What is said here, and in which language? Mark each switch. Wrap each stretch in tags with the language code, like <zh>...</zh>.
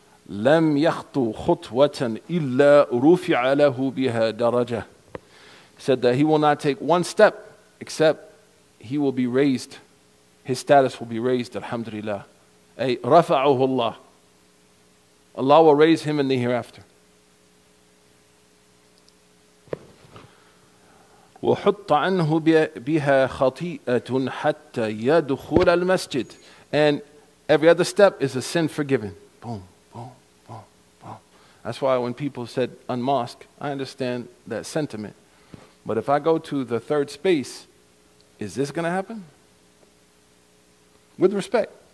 <ar>لَمْ يَخْطُ خُطْوَةً إِلَّا رُفِعَ لَهُ بِهَا دَرَجَةً.</ar> <en>He said that he will not take one step except he will be raised. His status will be raised, alhamdulillah.</en> <ar>أي رَفَعُهُ اللَّهُ.</ar> <en>Allah will raise him in the hereafter.</en> <ar>وحط عنه بها خطيئة حتى يدخل المسجد.</ar> <en>And every other step is a sin forgiven. Boom, boom, boom, boom. That's why when people said unmask, I understand that sentiment. But if I go to the third space, is this going to happen? With respect.</en>